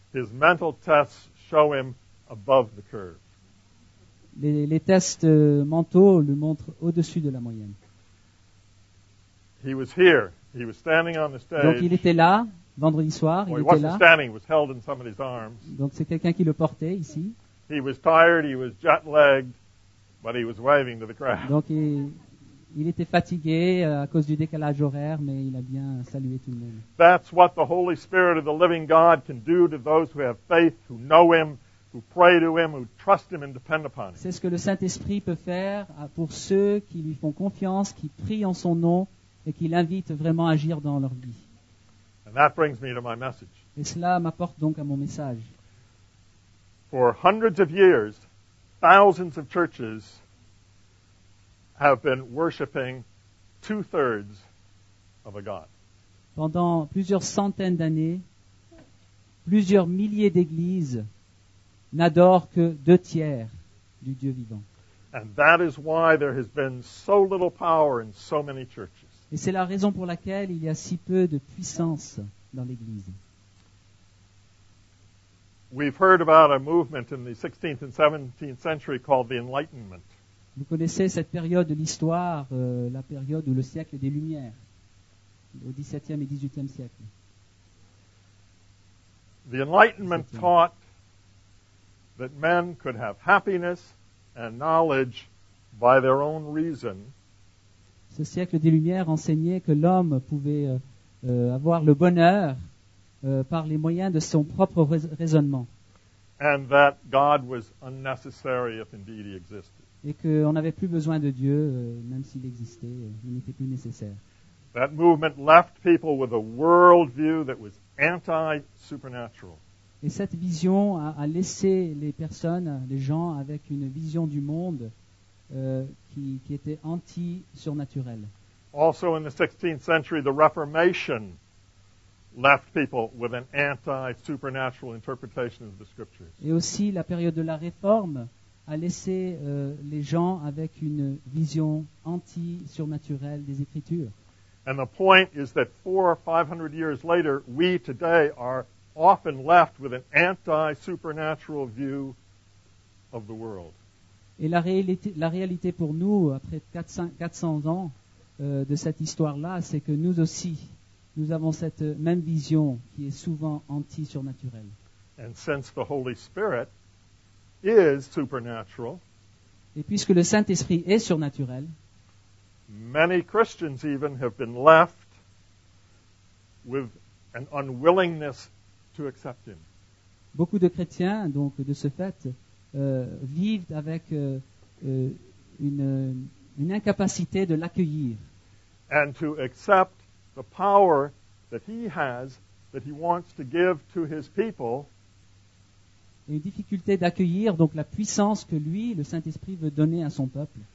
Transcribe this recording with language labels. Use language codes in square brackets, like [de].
[en] His mental tests show him above the curve. [fr] Les tests mentaux le montrent au-dessus de la moyenne. [en] He was here. He was standing on the stage. [fr] Donc il était là, vendredi soir, il était là. [en] Standing, was held in somebody's arms. [fr] Donc c'est quelqu'un qui le portait ici. [en] He was tired, he was jet-lagged, but he was waving to the crowd. [fr] Donc il était fatigué à cause du décalage horaire, mais il a bien salué tout le monde. [en] That's what the Holy Spirit of the living God can do to those who have faith, who know him, who pray to him, who trust him and depend upon him. [fr] C'est ce que le Saint-Esprit peut faire pour ceux qui lui font confiance, qui prient en son nom et qui l'invitent vraiment à agir dans leur vie. [en] And that brings me to my message. [fr] Et cela m'apporte donc à mon message. [en] For hundreds of years, thousands of churches have been worshiping two-thirds of a God. [fr] Pendant plusieurs centaines d'années, plusieurs milliers d'églises n'adorent que deux tiers du Dieu vivant. [en] And that is why there has been so little power in so many churches. [fr] Et c'est la raison pour laquelle il y a si peu de puissance dans l'église. [en] We've heard about a movement in the 16th and 17th century called the Enlightenment. [fr] Vous connaissez cette période de l'histoire, la période ou le siècle des Lumières, au 17e et 18e siècle. [en] The Enlightenment taught that men could have happiness and knowledge by their own reason. [fr] Ce siècle des Lumières enseignait que l'homme pouvait avoir le bonheur par les moyens de son propre raisonnement. [en] And that God was unnecessary if indeed he existed. [fr] Et qu'on n'avait plus besoin de Dieu, même s'il existait, il n'était plus nécessaire. [en] That movement left people with a worldview that was anti-supernatural. [fr] Et cette vision a laissé les personnes, les gens, avec une vision du monde qui était anti-surnaturelle. [en] Also in the 16th century, the Reformation left people with an anti-supernatural interpretation of the scriptures. [fr] Et aussi la période de la Réforme a laissé les gens avec une vision anti-surnaturelle des Écritures. [en] And the point is that 400 or 500 years later, we today are often left with an anti-supernatural view of the world. [fr] Et la réalité pour nous, après 400 ans de cette histoire-là, c'est que nous aussi, nous avons cette même vision qui est souvent anti-surnaturelle. [en] And since the Holy Spirit is supernatural, [fr] et puisque le Saint-Esprit est surnaturel, [en] many Christians even have been left with an unwillingness to accept him. [fr] Beaucoup de chrétiens, donc, de ce fait, vivent avec une incapacité de l'accueillir. [en] And to accept the power that he has, that he wants to give to his people. [fr] Une difficulté d'accueillir donc la puissance que lui, le Saint-Esprit, veut donner à son peuple.